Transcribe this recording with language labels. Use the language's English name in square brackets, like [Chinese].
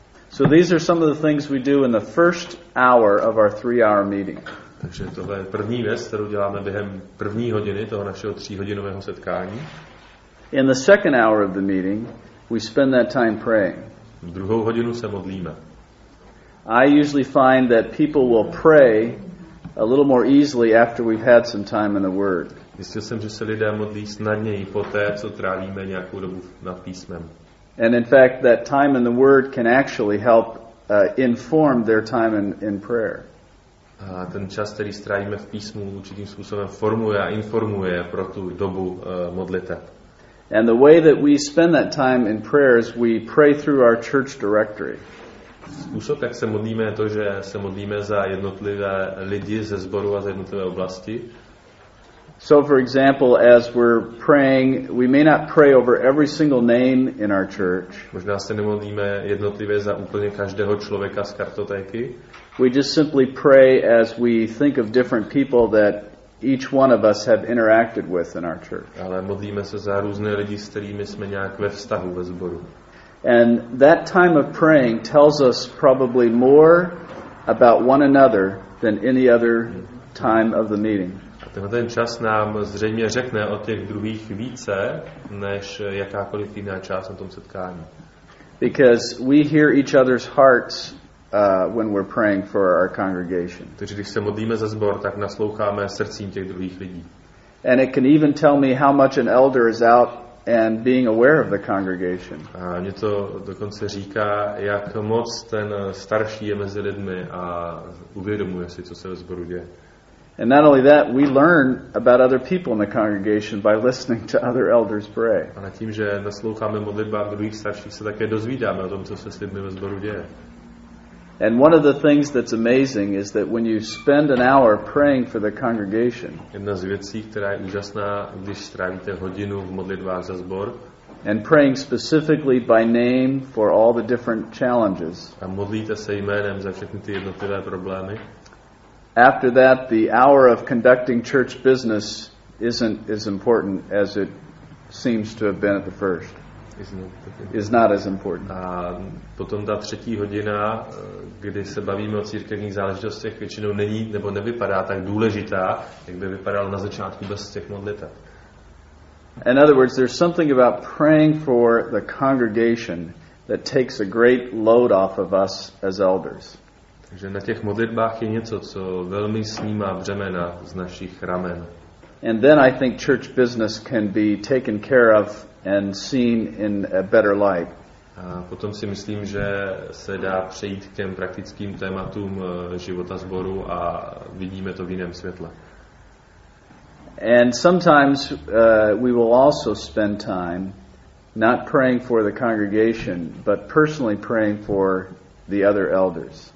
[English] So these are some of the things we do in the first hour of our 3 hour meeting. [Czech] Takže tohle je první věc, kterou děláme během první hodiny toho našeho 3 hodinového setkání. [English] In the second hour of the meeting, we spend that time praying. [Czech] V druhou hodinu se modlíme. [English] I usually find that people will pray a little more easily after we've had some time in the word. [Czech] Zjistil jsem, že se lidé modlí snadněji poté, co trávíme nějakou dobu nad písmem. [English] And in fact, that time in the word can actually help informed their time in prayer. [Czech] A ten čas, který strávíme v písmu, určitým způsobem formuje a informuje pro tu dobu modlitev. [English] And the way that we spend that time in prayer is we pray through our church directory. [Czech] Způsob, jak se modlíme, je to, že se modlíme za jednotlivé lidi ze sboru a za jednotlivé oblasti. [English] So for example, as we're praying, we may not pray over every single name in our church. [Czech] Možná se nemodlíme jednotlivě za úplně každého člověka z kartotéky. [English] We just simply pray as we think of different people that each one of us have interacted with in our church. [Czech] Ale modlíme se za různé lidi, s kterými jsme nějak ve vztahu ve sboru. [English] And that time of praying tells us probably more about one another than any other time of the meeting. [Czech] Ten čas nám zřejmě řekne o těch druhých více než jakákoliv jiná část na tom setkání. [English] Because we hear each other's hearts when we're praying for our congregation. [Czech] Takže když se modlíme za sbor, tak nasloucháme srdcím těch druhých lidí. [English] And it can even tell me how much an elder is out and being aware of the congregation. [Czech] A mě to dokonce říká, jak moc ten starší je mezi lidmi a uvědomuje si, co se ve sboru děje. [English] And not only that, we learn about other people in the congregation by listening to other elders pray. [Czech] A na tím, že nasloucháme modlitbám druhých starších, se také dozvídáme o tom, co se s lidmi ve sboru děje. [English] And one of the things that's amazing is that when you spend an hour praying for the congregation. [Czech] Jedna z věcí, která je úžasná, když strávíte hodinu v modlitbách za sbor. [English] And praying specifically by name for all the different challenges. [Czech] A modlíte se jménem za všechny ty jednotlivé problémy. [English] After that, the hour of conducting church business isn't as important as it seems to have been at the first. Is not as important. [Czech] A potom ta třetí hodina, kdy se bavíme o církevních záležitostech, většinou není nebo nevypadá tak důležitá, jak by vypadala na začátku bez těch modlitev. [English] In other words, there's something about praying for the congregation that takes a great load off of us as elders. [Czech] Takže na těch modlitbách je něco, co velmi snímá břemena z našich ramen. [English] And then I think church business can be taken care of and seen in a better light. [Czech] A potom si myslím, že se dá přejít k těm praktickým tématům života sboru a vidíme to v jiném světle. [English] And sometimes we will also spend time not praying for the congregation, but personally praying for the other elders.